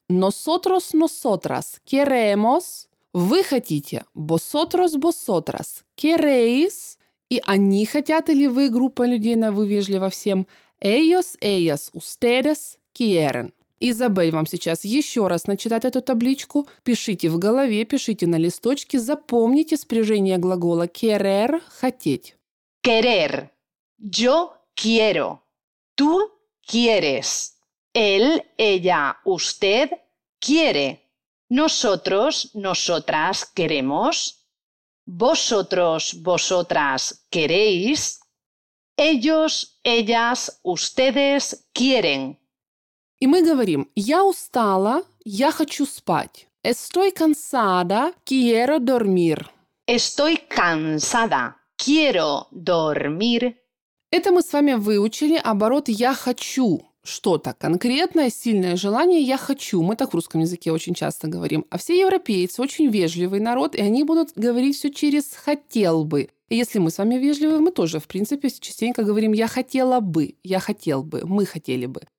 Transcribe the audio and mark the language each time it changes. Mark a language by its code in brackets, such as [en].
[es] Nosotros, nosotras queremos. [ru] Вы хотите. [es] Vosotros, vosotras queréis. [ru] И они хотят, или вы, группа людей, на вы вежливо всем. [es] Ellos, ellas, ustedes quieren. [ru] Изабель вам сейчас еще раз начитает эту табличку. Пишите в голове, пишите на листочке. Запомните спряжение глагола querer – хотеть. [es] Querer. Yo quiero. Tú quieres. Él, ella, usted quiere. Nosotros, nosotras queremos. Vosotros, vosotras queréis. Ellos, ellas, ustedes quieren. [ru] И мы говорим: я устала, я хочу спать. [es] Estoy cansada, quiero dormir. Estoy cansada, quiero dormir. [ru] Это мы с вами выучили оборот «я хочу». Что-то конкретное, сильное желание «я хочу». Мы так в русском языке очень часто говорим. А все европейцы очень вежливый народ, и они будут говорить все через «хотел бы». И если мы с вами вежливы, мы тоже, в принципе, частенько говорим «я хотела бы», «я хотел бы», «мы хотели бы».